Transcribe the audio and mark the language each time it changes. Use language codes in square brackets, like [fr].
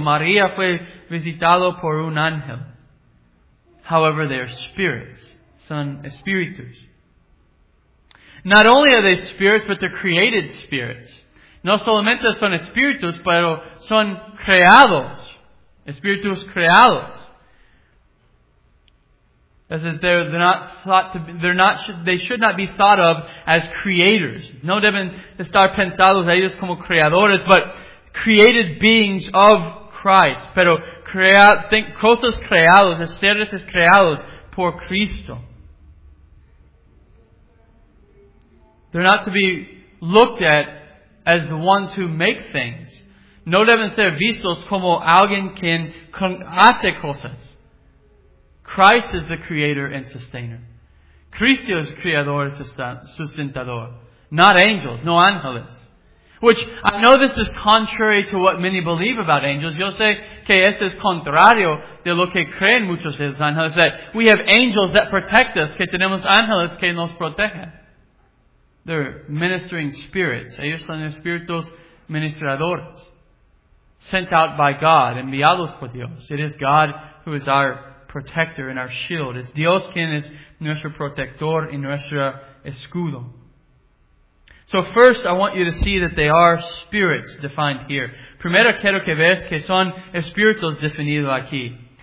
[es] María fue visitado por un ángel. [en] However, they are spirits. [es] Son espíritus. [en] Not only are they spirits, but they're created spirits. [es] No solamente son espíritus, pero son creados. Espíritus creados. [en] As if they should not be thought of as creators. [es] No deben estar pensados a ellos como creadores, [en] but created beings of Christ. [es] Pero cosas creados, seres creados por Cristo. [en] They're not to be looked at as the ones who make things. [es] No deben ser vistos como alguien quien hace cosas. [en] Christ is the creator and sustainer. [es] Cristo es creador y sustentador. [en] Not angels, [es] no ángeles. [en] Which, I know this is contrary to what many believe about angels. [es] Yo sé que esto es contrario de lo que creen muchos de los ángeles, [en] that we have angels that protect us, [es] que tenemos ángeles que nos protegen. [en] They're ministering spirits. [es] Ellos son espíritus ministradores. [en] Sent out by God, [es] enviados por Dios. [en] It is God who is our protector and our shield. It's [es] Dios quien es nuestro protector y nuestro escudo. [en] So first, I want you to see that they are spirits defined here. [es] Primero quiero que veas que son espíritus definidos aquí.